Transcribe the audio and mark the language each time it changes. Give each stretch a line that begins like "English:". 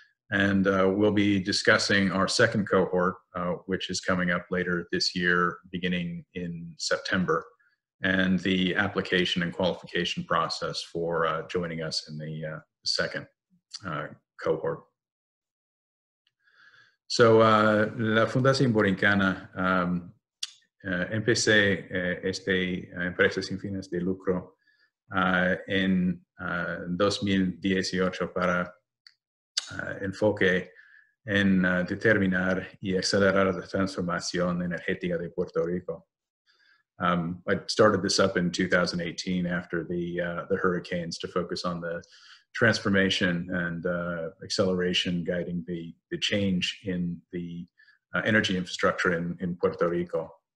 English: And we'll be discussing our second cohort, which is coming up later this year, beginning in September, and the application and qualification process for joining us in the second cohort.
Spanish: So la Fundación Borincana empecé esta empresa sin fines de lucro en 2018 para enfoque en determinar y acelerar la transformación energética de Puerto Rico.
English: I started this up in 2018 after the hurricanes to focus on the transformation and acceleration guiding the change in the energy infrastructure in Puerto Rico.